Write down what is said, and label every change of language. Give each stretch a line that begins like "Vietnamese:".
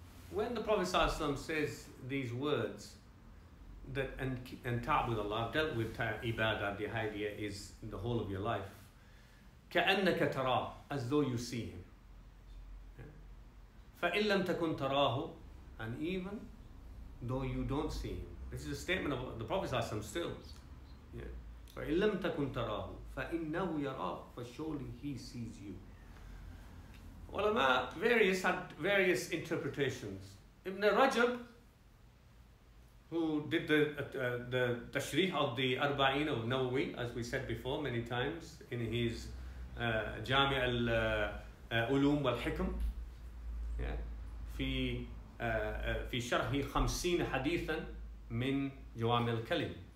English: when the Prophet ﷺ says these words, that and ta'bud Allah, I've dealt with ibadah, behavior is the whole of your life.
Arabic: كَأَنَّكَ تَرَاهُ,
English: as though you see him.
Arabic: فَإِن لَمْ تَكُنْ تَرَاهُ,
English: and even though you don't see him. This is a statement of the Prophet ﷺ still.
Arabic: فَإِن لَمْ تَكُنْ تَرَاهُ فَإِنَّهُ يَرَاهُ,
English: for surely he sees you. Ulama various had various interpretations. Ibn Rajab, who did the tashrih of the Arba'in of Nawawi, as we said before many times in his Jami' al Ulum wal Hikam, fi sharhi 50 hadithan min Jawami' al Kalim.